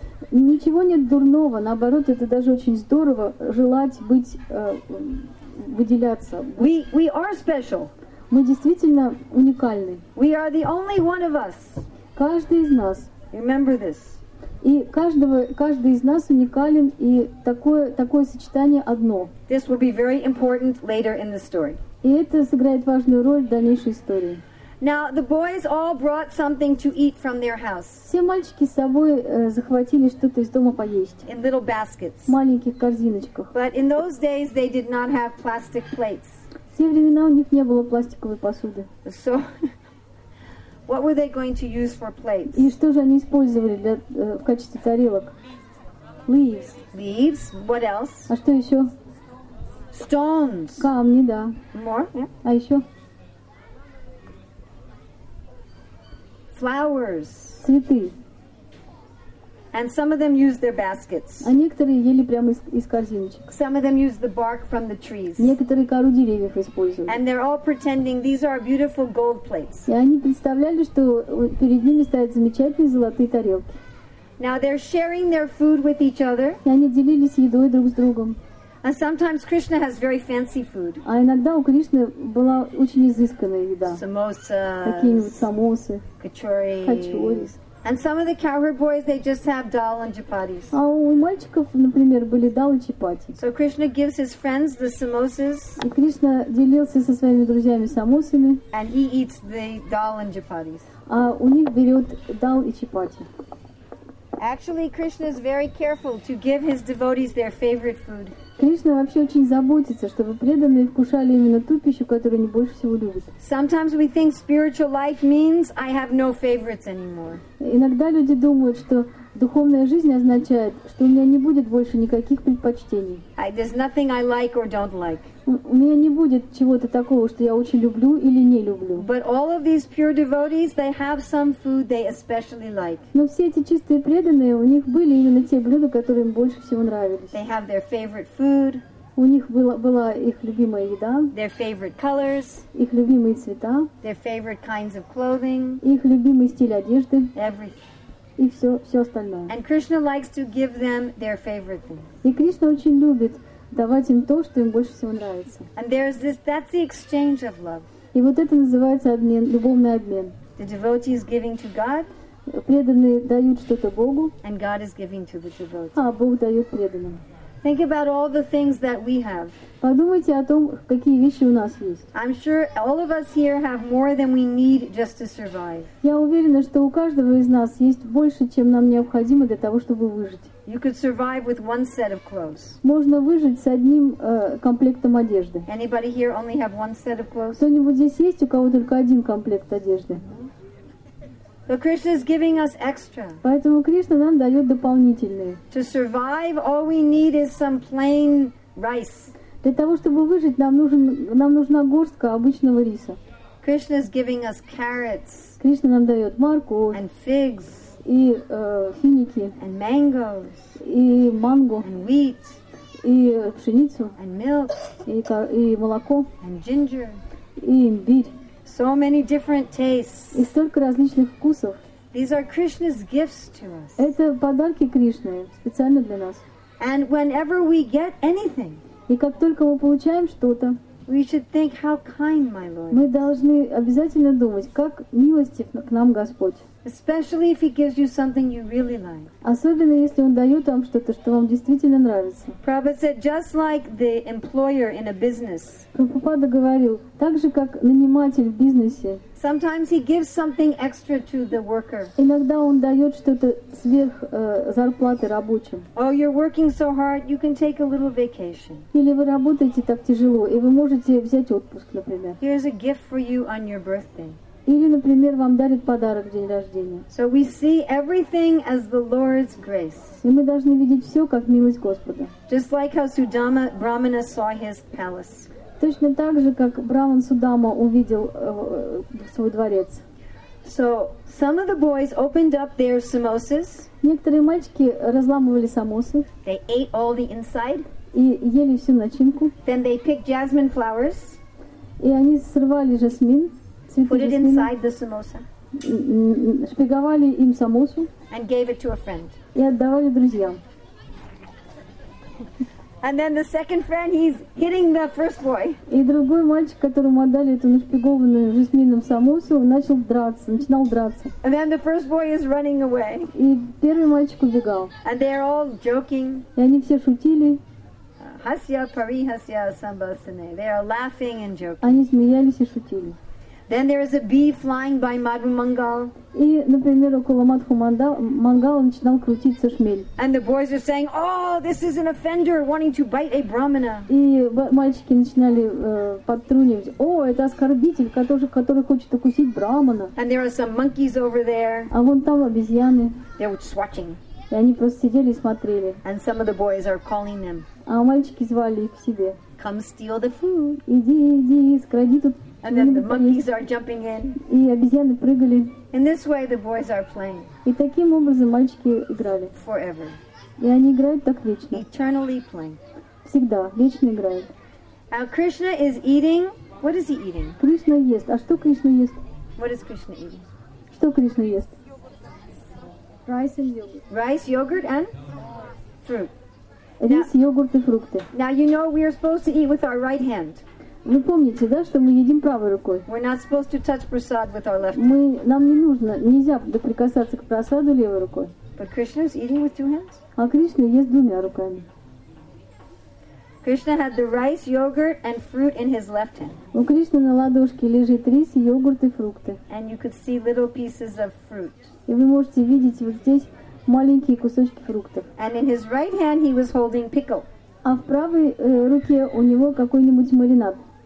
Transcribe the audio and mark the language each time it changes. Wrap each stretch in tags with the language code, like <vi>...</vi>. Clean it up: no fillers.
<ru>Ничего нет дурного, наоборот, это даже очень здорово желать быть выделяться.</ru> <en>We are special.</en> <ru>Мы действительно уникальны.</ru> <en>We are the only one of us.</en> <ru>Каждый из нас.</ru> <en>Remember this.</en> <ru>И каждый из нас уникален, и такое сочетание одно.</ru> <en>This will be very important later in the story.</en> <ru>И это сыграет важную роль в дальнейшей истории.</ru> <en>Now the boys all brought something to eat from their house.</en> <ru>Все мальчики с собой захватили что-то из дома поесть.</ru> <en>In little baskets.</en> <ru>В маленьких корзиночках.</ru> <en>But in those days they did not have plastic plates.</en> <ru>В те времена у них не было пластиковой посуды.</ru> <en>So what were they going to use for plates?</en> <ru>И что же они использовали для в качестве тарелок?</ru> <en>Leaves. Leaves. What else?</en> <ru>А что еще?</ru> <en>Stones.</en> <ru>Камни, да.</ru> <en>More?</en> <ru>А еще?</ru> <en>Flowers.</en> <ru>Цветы.</ru> <en>And some of them use their baskets.</en> <ru>А некоторые ели прямо из корзиночек.</ru> <en>Some of them use the bark from the trees.</en> <ru>Некоторые кору деревьев использовали.</ru> <en>And they're all pretending these are beautiful gold plates.</en> <ru>И они представляли, что перед ними стоят замечательные золотые тарелки.</ru> <en>Now they're sharing their food with each other.</en> <ru>И они делились едой друг с другом.</ru> <en>And sometimes Krishna has very fancy food.</en> <ru>А иногда у Кришны была очень изысканная еда.</ru> <en>Samosa.</en> <ru>Какие-нибудь самосы.</ru> <en>Kachori.</en> <ru>Kachori.</ru> <en>And some of the cowherd boys, they just have dal and chapatis.</en> <ru>А у мальчиков, например, были дал и чапати.</ru> <en>So Krishna gives his friends the samosas.</en> <ru>И Кришна делился со своими друзьями самосами.</ru> <en>And he eats the dal and chapatis.</en> <ru>А у них берет дал и чапати.</ru> <en>Actually, Krishna is very careful to give his devotees their favorite food.</en> <ru>Кришна вообще очень заботится, чтобы преданные вкушали именно ту пищу, которую они больше всего любят.</ru> <en>Sometimes we think spiritual life means I have no favorites anymore.</en> <ru>Иногда люди думают, что духовная жизнь означает, что у меня не будет больше никаких предпочтений.</ru> <en>There's nothing I like or don't like.</en> <ru>У меня не будет чего-то такого, что я очень люблю или не люблю.</ru> <en>But all of these pure devotees, they have some food they especially like.</en> <ru>Но все эти чистые преданные, у них были именно те блюда, которые им больше всего нравились.</ru> <en>They have their favorite food.</en> <ru>У них была их любимая еда.</ru> <en>Their favorite colors.</en> <ru>Их любимые цвета.</ru> <en>Their favorite kinds of clothing.</en> <ru>Их любимый стиль одежды.</ru> <en>Everything.</en> <ru>И все остальное.</ru> <en>And Krishna likes to give them their favorite thing.</en> <ru>И Кришна очень любит давать им то, что им больше всего нравится.</ru> <en>And there's this, that's the exchange of love.</en> <ru>И вот это называется обмен, любовный обмен.</ru> <en>The devotee is giving to God.</en> <ru>Преданные дают что-то Богу.</ru> <en>And God is giving to the devotee.</en> <ru>А Бог дает преданным.</ru> <en>Think about all the things that we have.</en> <ru>Подумайте о том, какие вещи у нас есть.</ru> <en>I'm sure all of us here have more than we need just to survive.</en> <ru>Я уверена, что у каждого из нас есть больше, чем нам необходимо для того, чтобы выжить.</ru> <en>You could survive with one set of clothes.</en> <ru>Можно выжить с одним комплектом одежды.</ru> <en>Anybody here only have one set of clothes?</en> <ru>Кто-нибудь здесь есть, у кого только один комплект одежды?</ru> <en>So Krishna is giving us extra.</en> <ru>Поэтому Кришна нам дает дополнительные.</ru> <en>To survive, all we need is some plain rice.</en> <ru>Для того, чтобы выжить, нам нужна горстка обычного риса.</ru> <en>Krishna is giving us carrots.</en> <ru>Кришна нам дает морковь.</ru> <en>And figs.</en> <ru>И финики.</ru> <en>And mangoes.</en> <ru>И манго.</ru> <en>And wheat.</en> <ru>И пшеницу.</ru> <en>And milk.</en> <ru>И молоко.</ru> <en>And ginger.</en> <ru>И имбирь.</ru> <en>So many different tastes.</en> <ru>И столько различных вкусов.</ru> <en>These are Krishna's gifts to us.</en> <ru>Это подарки Кришны специально для нас.</ru> <en>And whenever we get anything,</en> <ru>и как только мы получаем что-то,</ru> <en>we should think how kind my Lord.</en> <ru>Мы должны обязательно думать, как милостив к нам Господь.</ru> <en>Especially if he gives you something you really like.</en> <ru>Особенно если он дает вам что-то, что вам действительно нравится.</ru> <en>Prabhupada said, just like the employer in a business.</en> <ru>Прабхупада говорил, так же как наниматель в бизнесе.</ru> <en>Sometimes he gives something extra to the worker.</en> <ru>Иногда он дает что-то сверх зарплаты рабочим.</ru> <en>Oh, you're working so hard, you can take a little vacation.</en> <ru>Или вы работаете так тяжело, и вы можете взять отпуск, например.</ru> <en>Here's a gift for you on your birthday.</en> <ru>Или, например, вам дарят подарок в день рождения.</ru> <en>So we see everything as the Lord's grace.</en> <ru>И мы должны видеть все как милость Господа.</ru> <en>Just like how Sudama Brahmana saw his palace.</en> <ru>Точно так же, как Браман Судама увидел свой дворец.</ru> <en>So some of the boys opened up their samosas.</en> <ru>Некоторые мальчики разламывали самосы.</ru> <en>They ate all the inside.</en> <ru>И ели всю начинку.</ru> <en>Then they picked jasmine flowers.</en> <ru>И они срывали жасмин.</ru> <en>Put it inside the samosa.</en> <ru>Шпиговали им самосу.</ru> <en>And gave it to a friend.</en> <ru>И отдавали друзьям.</ru> <en>And then the second friend, he's hitting the first boy.</en> <ru>И другой мальчик, которому отдали эту нашпигованную жасмином самосу, начинал драться.</ru> <en>And then the first boy is running away.</en> <ru>И первый мальчик убегал.</ru> <en>And they're all joking.</en> <ru>И они все шутили.</ru> <sa>Hasya parihasya sambhasane.</sa> <en>They are laughing and joking.</en> <ru>Они смеялись и шутили.</ru> <en>Then there is a bee flying by Madhu Mangal.</en> <ru>И, например, около Мадху Мангала начинал крутиться шмель.</ru> <en>And the boys are saying, "Oh, this is an offender wanting to bite a brahmana."</en> <ru>И мальчики начинали подтрунивать. О, это оскорбитель, который хочет укусить брахмана.</ru> <en>And there are some monkeys over there.</en> <ru>А вон там обезьяны.</ru> <en>They were just watching.</en> <ru>И они просто сидели и смотрели.</ru> <en>And some of the boys are calling them.</en> <ru>А мальчики звали их к себе.</ru> <en>Come steal the food.</en> <ru>Иди, скради тут.</ru> <en>And then the monkeys are jumping in.</en> <ru>И обезьяны прыгали.</ru> <en>In this way the boys are playing.</en> <ru>И таким образом мальчики играли.</ru> <en>Forever.</en> <ru>И они играют так вечно.</ru> <en>Eternally playing.</en> <ru>Всегда, вечно играют.</ru> <en>Now Krishna is eating. What is he eating?</en> <ru>Кришна ест. А что Кришна ест?</ru> <en>What is Krishna eating?</en> <ru>Что Кришна ест?</ru> <en>Rice and yogurt. Rice, yogurt and? Fruit.</en> <ru>рис, йогурт и фрукты.</ru> <en>Now you know we are supposed to eat with our right hand.</en> <ru>Вы помните, да, что мы едим правой рукой?</ru> <en>We're not supposed to touch prasad with our left.</en> <ru>Мы, нам не нужно, нельзя прикасаться к прасаду левой рукой.</ru> <en>But Krishna is eating with two hands.</en> <ru>А Кришна ест двумя руками.</ru> <en>Krishna had the rice, yogurt, and fruit in his left hand.</en> <ru>У Кришны на ладошке лежит рис, йогурт и фрукты.</ru> <en>And you could see little pieces of fruit.</en> <ru>И вы можете видеть вот здесь маленькие кусочки фруктов.</ru> <en>And in his right hand he was holding pickle.</en> <ru>А в правой руке у него какой-нибудь маринад.</ru>